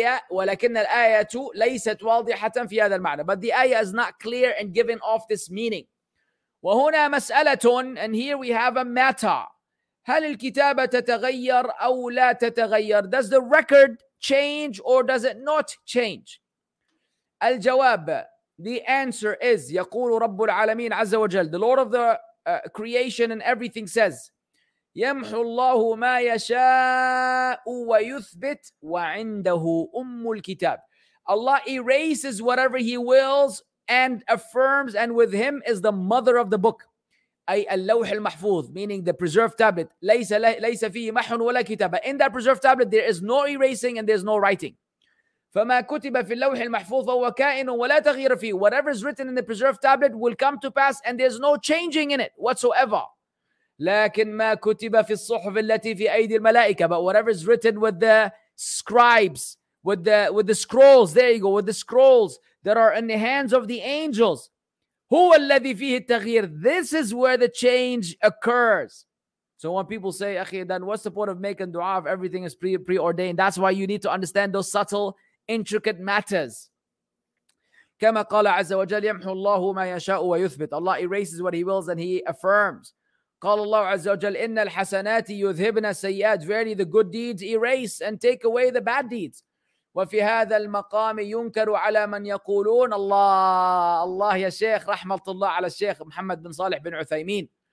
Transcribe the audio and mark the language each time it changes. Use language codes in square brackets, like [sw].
[ar] ولكن الآية ليست واضحة في هذا المعنى. [en] But the ayah is not clear in giving off this meaning. [ar] وهنا مسألة, [en] and here we have a matter. [ar] هل الكتابة تتغير أو لا تتغير? [en] Does the record change or does it not change? [ar] الجواب, [en] the answer is, [ar] يقول رب العالمين عز وجل, [en] the Lord of the creation and everything says, [ar] يمحو الله ما يشاء ويثبت وعنده أم الكتاب. [en] Allah erases whatever he wills and affirms, and with him is the mother of the book. [ar] أي اللوح المحفوظ, [en] meaning the preserved tablet. [ar] ليس فيه محو ولا كتابة. [en] In that preserved tablet, there is no erasing and there is no writing. [ar] فما كتب في اللوح المحفوظ هو كائن ولا تغيير فيه. [en] Whatever is written in the preserved tablet will come to pass and there is no changing in it whatsoever. [ar] لكن ما كتب في الصحف التي في أيدي الملائكة. [en] But whatever is written with the scribes, with the scrolls, there you go, with the scrolls that are in the hands of the angels. [ar] هو الذي فيه التغيير. [en] This is where the change occurs. So when people say, أخي, then what's the point of making dua if everything is preordained? That's why you need to understand those subtle, intricate matters. [ar] كما قال عز وجل, يمحو الله ما يشاء ويثبت. [en] Allah erases what he wills and he affirms. [ar] قال الله عز وجل, إن الحسنات يذهبن السيئات. [en] Verily the good deeds erase and take away the bad deeds. [ar] وفي هذا المقام ينكر على من يقولون الله يا شيخ, رحمة الله على الشيخ محمد بن صالح بن عثيمين.